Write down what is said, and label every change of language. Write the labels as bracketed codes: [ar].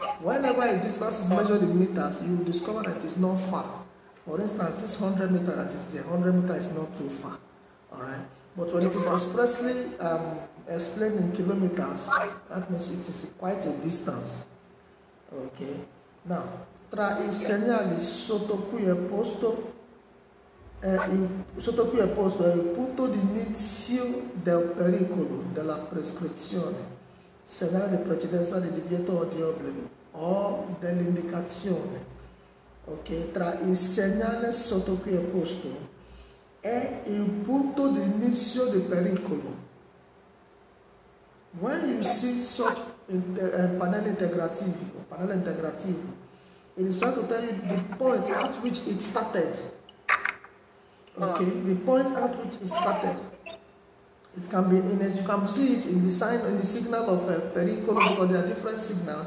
[en] Whenever a distance is measured in meters, you will discover that it is not far. For instance, this 100 meter that is there, 100 meter is not too far. Alright? But when it is expressly explained in kilometers, that means it is quite a distance. Okay? [it] Now, tra I segnali sotto qui è posto il punto di inizio del pericolo, della prescrizione, segnale di precedenza di divieto o di obbligo, o dell'indicazione. Ok, tra il segnale sotto qui è posto è il punto di inizio del pericolo. [en] When you see such panel integrativo, it is trying to tell you the point at which it started. Okay, the point at which it started. It can be in, as you can see it in the sign, in the signal of a pericolo, because there are different signals.